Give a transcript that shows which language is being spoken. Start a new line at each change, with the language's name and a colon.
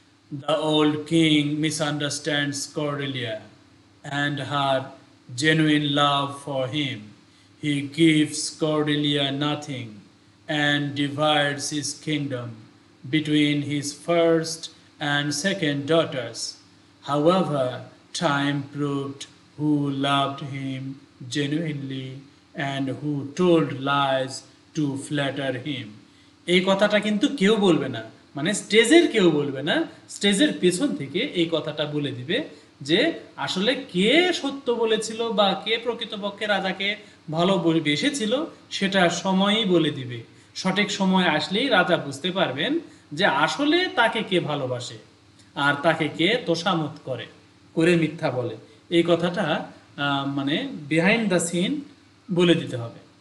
English: The old king misunderstands Cornelia and her genuine love for him, he gives Cornelia nothing and divides his kingdom between his first and second daughters. However, time proved who loved him genuinely and who told lies to flatter him.
Bangla: এই কথাটা কিন্তু কেউ বলবে না, মানে স্টেজের কেউ বলবে না, স্টেজের পেছন থেকে এই কথাটা বলে দিবে যে আসলে কে সত্য বলেছিল বা কে প্রকৃতপক্ষে রাজাকে ভালো বেসেছিল সেটা সময়ই বলে দিবে। সঠিক সময় আসলেই রাজা বুঝতে পারবেন যে আসলে তাকে কে ভালোবাসে আর তাকে কে তোষামোদ করে, করে মিথ্যা বলে, এই কথাটা মানে বিহাইন্ড দ্য সিন বলে দিতে হবে।